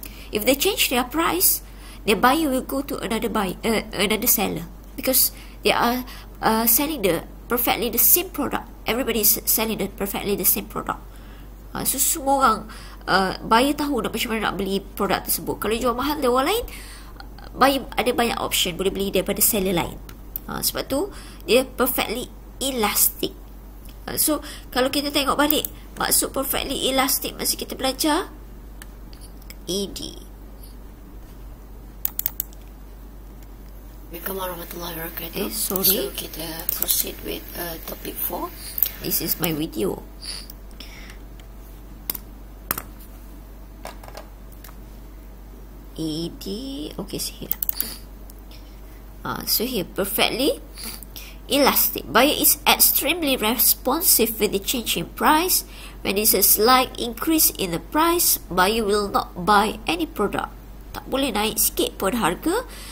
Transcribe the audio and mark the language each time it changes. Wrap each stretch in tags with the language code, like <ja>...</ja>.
<en>If they change their price, the buyer will go to another buyer, another seller, because they are selling the perfectly the same product. Everybody is selling the perfectly the same product.</en> <ms>So semua orang buyer tahu nak macam mana nak beli produk tersebut. Kalau jual mahal dari orang lain, buyer ada banyak option, boleh beli daripada seller lain. Sebab tu dia perfectly elastic. So kalau kita tengok balik maksud perfectly elastic masa kita belajar ED.</ms> <ar>Assalamualaikum warahmatullahi wabarakatuh.</ar> <en>Sorry. So kita proceed with topic 4. This is my video. ED, okay, see here. So here, perfectly elastic. Buyer is extremely responsive with the change in price. When there's a slight increase in the price, buyer will not buy any product.</en> <ms>Tak boleh naik sikit pun harga.</ms>